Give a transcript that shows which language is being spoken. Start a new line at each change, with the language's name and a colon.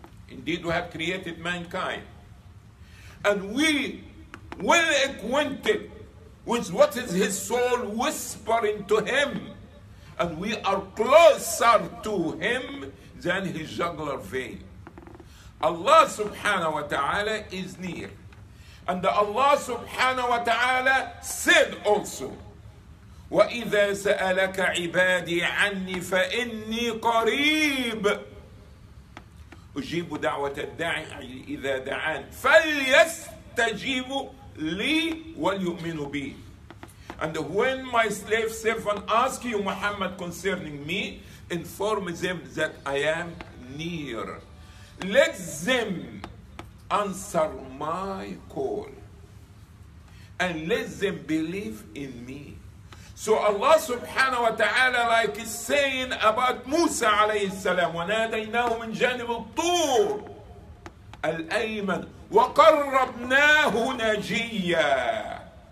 English: Indeed, we have created mankind. And we well acquainted with what is his soul whispering to him. And we are closer to him than his jugular vein. Allah subhanahu wa ta'ala is near.
Arabic: And Allah subhanahu wa ta'ala said also, وَإِذَا سَأَلَكَ عِبَادِي عَنِّي فَإِنِّي قَرِيبٌ أجيب دعوة الداعي إذا دعان فليستجيب لي وليؤمن بي.
English: And when my slave servant ask you Muhammad concerning me, inform them that I am near. Let them answer my call. And let them believe in me. So Allah subhanahu wa ta'ala, like is saying about Musa alayhi salam, وَنَادَيْنَاهُ مِنْ جَانِبِ الطُّورِ الْأَيْمَنِ وَقَرَّبْنَاهُ نَجِيًّا.